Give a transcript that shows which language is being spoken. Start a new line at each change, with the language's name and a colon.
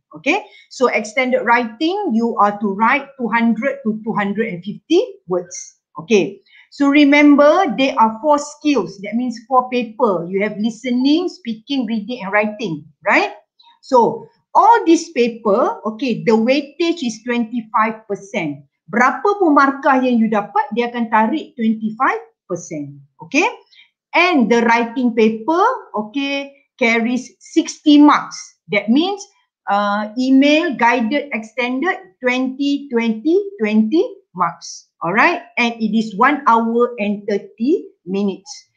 English: Okay, so extended writing, you are to write 200 to 250 words. Okay, so remember, there are four skills. That means four paper. You have listening, speaking, reading and writing, right? So all this paper, okay, the weightage is 25%.
Malay: Berapa pun markah yang you dapat, dia akan tarik 25%.
English: Okay, and the writing paper, okay, carries 60 marks. That means email, guided, extended, 20, 20, 20 marks. Alright, and it is 1 hour and 30 minutes.